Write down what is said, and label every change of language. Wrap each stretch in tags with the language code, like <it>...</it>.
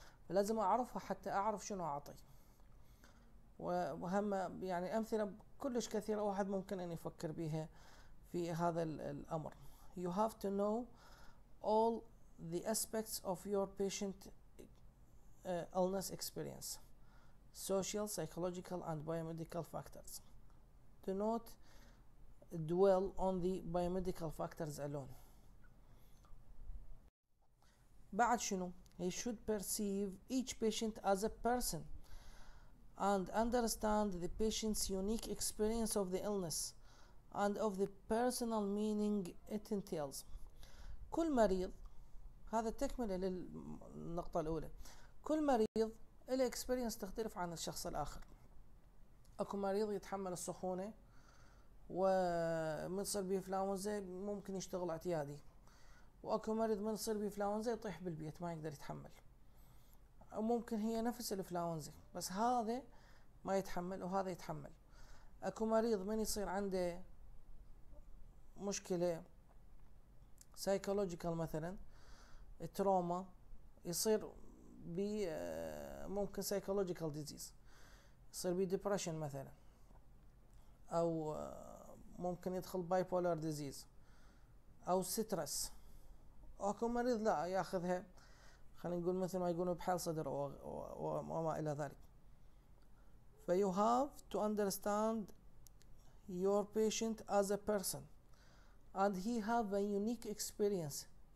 <ar>لازم اعرفها حتى اعرف شنو اعطي. وهم يعني أمثلة كلش كثيرة واحد ممكن أن يفكر بها في هذا الأمر.</ar> <en>You have to know all the aspects of your patient illness experience, social, psychological and biomedical factors. Do not dwell on the biomedical factors alone.</en> <ar>بعد شنو؟</ar> <en>He should perceive each patient as a person and understand the patient's unique experience of the illness and of the personal meaning it entails.</en> <ar>كل مريض، هذا تكمل للنقطة الأولى، كل مريض له اكسبيرينس تختلف عن الشخص الآخر. اكو مريض يتحمل السخونة ومن يصير بيه انفلونزا ممكن يشتغل اعتيادي، واكو مريض من يصير بيه انفلونزا يطيح بالبيت ما يقدر يتحمل، أو ممكن هي نفس الانفلونزا بس هذا ما يتحمل وهذا يتحمل. اكو مريض من يصير عنده مشكلة سايكولوجيكال مثلا تروما يصير ب ممكن سايكولوجيكال ديزيز، يصير ب ديبرشن مثلا، او ممكن يدخل باي بولر ديزيز او سترس. اكو مريض لا ياخذها خلينا نقول مثل ما يقولون بحال صدر وما الى ذلك.</ar> <en>But you have to understand your patient as a person and he have a unique experience.</en>